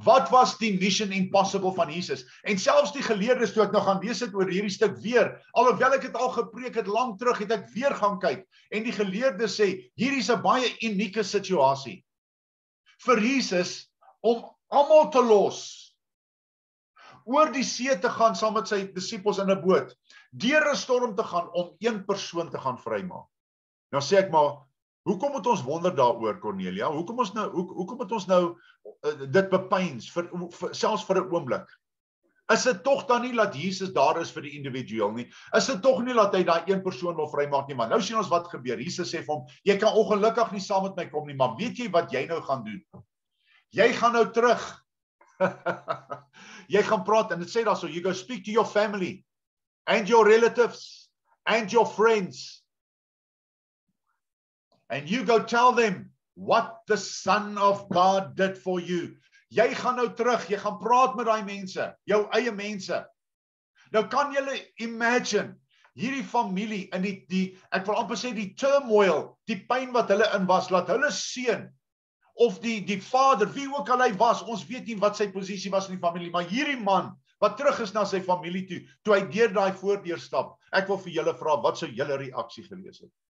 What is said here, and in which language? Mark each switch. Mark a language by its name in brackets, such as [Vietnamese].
[Afrikaans] Wat was die mission impossible van Jesus? En selfs die geleerdes toe ek nog gaan lees het oor hierdie stuk weer, alhoewel ek het al gepreek het lang terug, het ek weer gaan kyk, en die geleerdes sê, hier is een baie unieke situasie, vir Jesus om allemaal te los, oor die see te gaan saam met sy disciples in 'n boot, deur 'n storm te gaan om een persoon te gaan vrymaak. Nou sê ek maar, hoekom het ons wonder daar oor, Cornelia? Hoekom het ons nou dit bepyns, selfs vir 'n oomblik? Is dit toch dan nie dat Jesus daar is vir die individueel nie? Is dit toch nie dat hy daar een persoon wil vrymaak nie? Maar nou sien ons wat gebeur. Jesus sê vir hom, jy kan ongelukkig nie saam met my kom nie, maar weet jy wat jy nou gaan doen? Jy gaan nou terug. Jy gaan praat, en dit sê daar so, [English] you go speak to your family, and your relatives, and your friends, and you go tell them what the Son of God did for you. [Afrikaans] Jy gaan nou terug, jy gaan praat met die mense, jou eie mense. Nou kan jylle imagine, hierdie familie, en die ek wil amper sê die turmoil, die pyn wat hulle in was, laat hulle seun, of die vader, wie ook al hy was, ons weet nie wat sy posisie was in die familie, maar hierdie man, wat terug is na sy familie toe, toe hy deur die voordeur stap, ek wil vir jylle vraag, wat sou jylle reaksie gewees het?